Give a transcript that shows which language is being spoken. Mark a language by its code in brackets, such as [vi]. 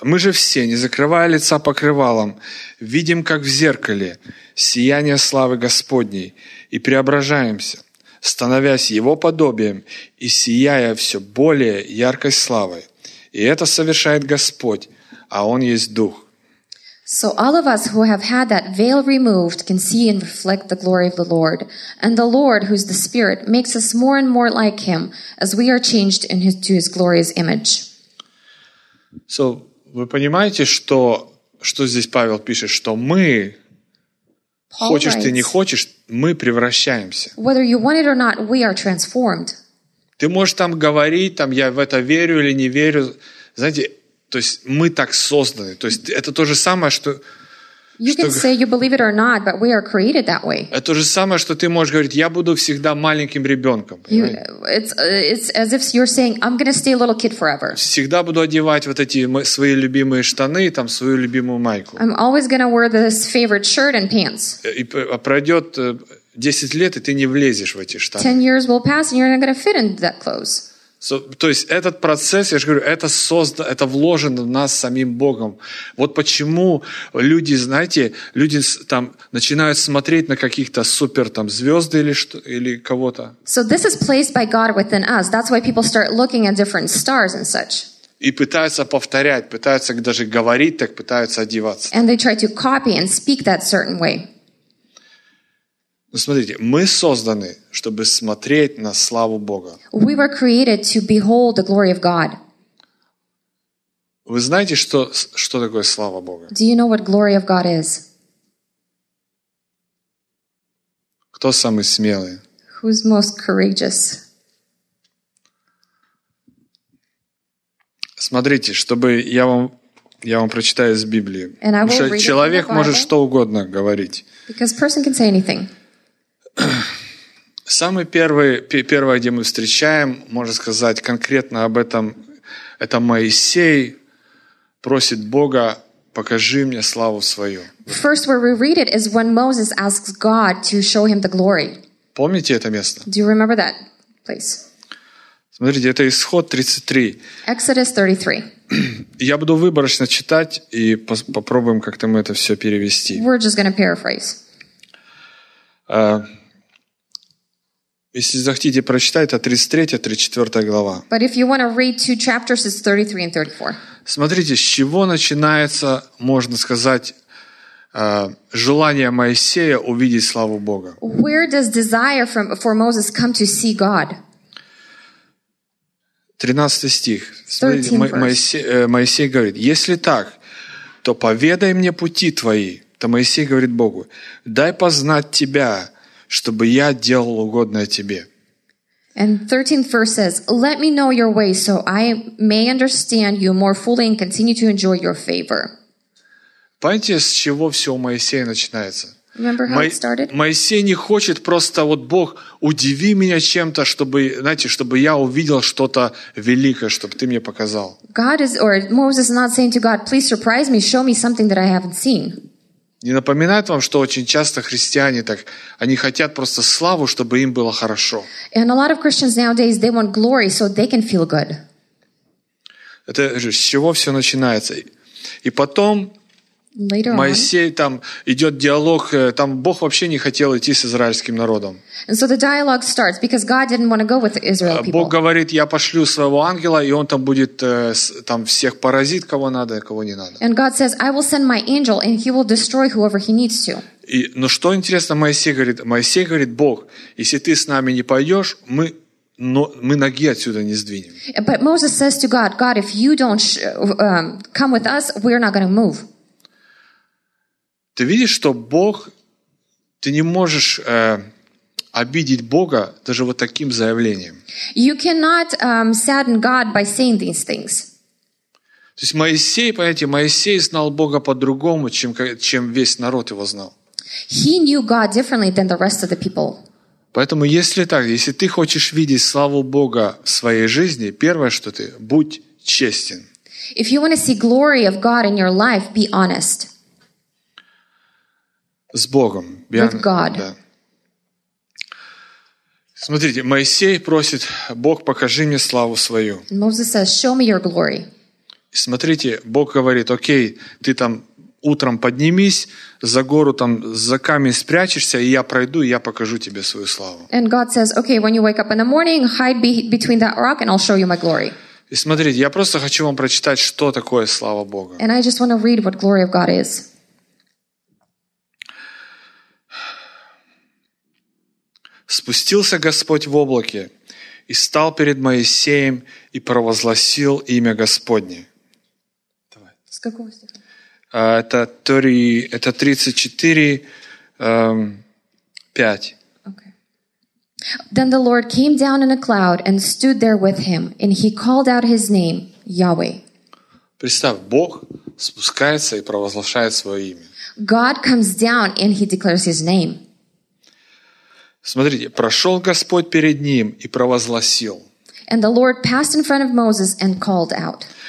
[ru] Мы же все, не закрывая лица покрывалом, видим, как в зеркале, сияние славы Господней, и преображаемся, становясь Его подобием и сияя все более яркой славой. И это совершает Господь, а Он есть Дух. [en] So all of us who have had that veil removed can see and reflect the glory of the Lord. And the Lord, who is the Spirit, makes us more and more like Him as we are changed into His glorious image. [ru] So, вы понимаете, что здесь Павел пишет, что мы, [en] Paul [ru] хочешь [en] writes, [ru] ты не хочешь, мы превращаемся. [en] Whether you want it or not, we are transformed. [ru] Ты можешь там говорить, там, я в это верю или не верю. Знаете, то есть мы так созданы. То есть это то же самое, что... [en] You can say you believe it or not, but we are created that way. [ru] Это то же самое, что ты можешь говорить, я буду всегда маленьким ребенком. [en] It's as if you're saying, I'm going to stay a little kid forever. [ru] Всегда буду одевать вот эти свои любимые штаны, там, свою любимую майку. [en] I'm always going to wear this favorite shirt and pants. [ru] И пройдет 10 лет, и ты не влезешь в эти штаны. [en] 10 years will pass, and you're not going to fit in that clothes. [ru] So, то есть этот процесс, я же говорю, это создано, это вложено в нас самим Богом. Вот почему люди, знаете, люди там начинают смотреть на каких-то супер там звезды или что или кого-то. [en] So this is placed by God within us. That's why people start looking at different stars and such. [ru] И пытаются повторять, пытаются даже говорить так, пытаются одеваться. [en] And they try to copy and speak that certain way. [ru] Ну, смотрите, мы созданы, чтобы смотреть на славу Бога. [en] We were created to behold the glory of God. [ru] Вы знаете, что такое слава Бога? [en] Do you know what glory of God is? [ru] Кто самый смелый? [en] Who's most courageous? [ru] Смотрите, чтобы я вам прочитаю из Библии. [en] And [ru] потому что человек может [en] Bible, [ru] что угодно говорить. [en] Because person can say anything. [ru] Самый первый, где мы встречаем, можно сказать конкретно об этом, это Моисей просит Бога, покажи мне славу свою. [en] First, where we read it is when Moses asks God to show him the glory. [ru] Помните это место? [en] Do you remember that place? [ru] Смотрите, это Исход 33. [en] Exodus 33. [ru] Я буду выборочно читать и попробуем как-то мы это все перевести. [en] We're just going to paraphrase. [ru] Если захотите прочитать, это 33-34 глава. [en] But if you want to read two chapters, it's 33 and 34. [ru] Смотрите, с чего начинается, можно сказать, желание Моисея увидеть славу Бога. [en] Where does desire for Moses come to see God? [ru] 13 стих. Моисей говорит: «Если так, то поведай мне пути твои». Это Моисей говорит Богу: «Дай познать тебя, чтобы я делал угодное тебе». [en] And 13th verse says, "Let me know your ways, so I may understand you more fully and continue to enjoy your favor." [ru] Понимаете, с чего все у Моисея начинается? [en] Remember how it started? [ru] Моисей не хочет просто вот: «Бог, удиви меня чем-то, чтобы, знаете, чтобы я увидел что-то великое, чтобы ты мне показал». [en] God is, or Moses is not saying to God, "Please surprise me, show me something that I haven't seen." [ru] Не напоминает вам, что очень часто христиане так, они хотят просто славу, чтобы им было хорошо. [en] And a lot of Christians nowadays, they want glory so they can feel good. [ru] Это же с чего все начинается. И потом [en] later [ru] Моисей [en] on, [ru] там идет диалог, там Бог вообще не хотел идти с израильским народом. [en] And so the dialogue starts because God didn't want to go with the Israel people. [ru] Бог говорит: «Я пошлю своего ангела, и он там будет там всех поразит, кого надо, кого не надо». [en] And God says, "I will send my angel, and he will destroy whoever he needs to." [ru] И, ну, что интересно, Моисей говорит: «Бог, если ты с нами не пойдешь, мы, но, мы ноги отсюда не сдвинем». [en] But Moses says to God, "God, if you don't come with us, we're not going to move." [ru] Ты видишь, что Бог, ты не можешь обидеть Бога даже вот таким заявлением. [en] You cannot sadden God by saying these things. [ru] То есть Моисей, понимаете, Моисей знал Бога по-другому, чем весь народ его знал. [en] He knew God differently than the rest of the people. [ru] Поэтому если так, если ты хочешь видеть славу Бога в своей жизни, первое, что ты, будь честен. [en] If you want to see glory of God in your life, be honest. [ru] С Богом. [en] With God. [ru] Да. Смотрите, Моисей просит: «Бог, покажи мне славу свою». [en] Moses says, "Show me your glory." [ru] Смотрите, Бог говорит: «Окей, ты там утром поднимись, за гору там, за камень спрячешься, и я пройду, и я покажу тебе свою славу». [en] And God says, "Okay, when you wake up in the morning, hide between that rock, and I'll show you my glory." [ru] И смотрите, я просто хочу вам прочитать, что такое слава Бога. [en] And I just want to read what glory of God is. [ru] «Спустился Господь в облаке и стал перед Моисеем и провозгласил имя Господне». Давай. С какого стиха? Это 34:5. [en] Okay. Then the Lord came down in a cloud and stood there with him, and he called out his name, Yahweh. [ru] Представь, Бог спускается и провозглашает свое имя. [en] God comes down and he declares his name. [ru] Смотрите, прошел Господь перед ним и провозгласил. [en] And the Lord passed in front of Moses and called out.